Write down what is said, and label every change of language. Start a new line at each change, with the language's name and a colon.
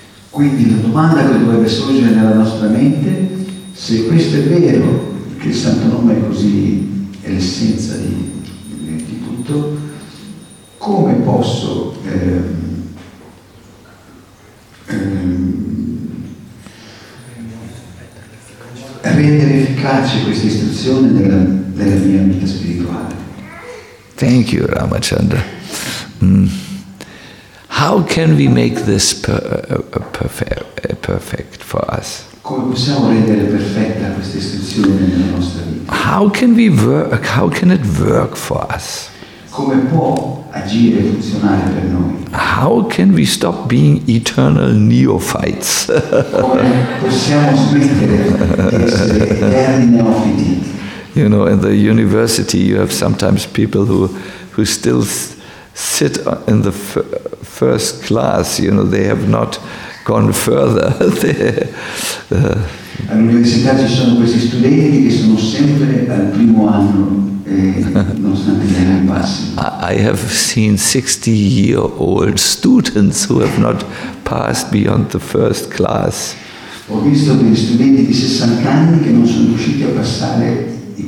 Italian: Quindi la domanda che dovrebbe sorgere nella nostra mente, se questo è vero, che il Santo Nome è così, è l'essenza di tutto, come posso rendere efficace questa istruzione nella mia vita spirituale?
English: Thank you, Ramachandra. How can we make this perfect for us?
Italian: Come possiamo rendere perfetta questa istruzione nella nostra vita?
English: How can we work? How can it work for us?
Italian: Come può agire e funzionare per noi?
English: How can we stop being eternal neophytes?
Italian: Come possiamo smettere di essere eterni neofiti?
English: You know, in the university, you have sometimes people who still sit in the first class. You know, they have not gone further.
Italian: All'università ci sono questi studenti che sono sempre al primo anno, nonostante gli anni passi.
English: I have seen 60-year-old students who have not passed beyond the first class.
Italian: Ho visto degli studenti di 60 anni che non sono riusciti a passare.